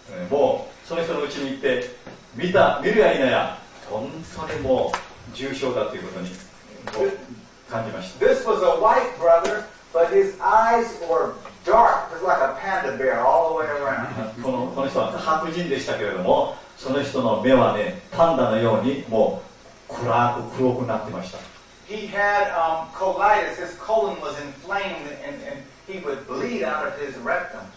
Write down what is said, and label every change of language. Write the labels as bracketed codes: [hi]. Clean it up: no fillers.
[ja] もうその人のうちに行って見るやいなや本当にもう重症だということに感じました。 [en] This was a white brother, but his eyes were dark, just like a panda bear all the way around. [ja] この人は白人でしたけれども、その人の目はね、パンダのようにもう暗く黒くなってました。 [en] He had colitis, his colon was inflamed, and he would bleed out of his rectum.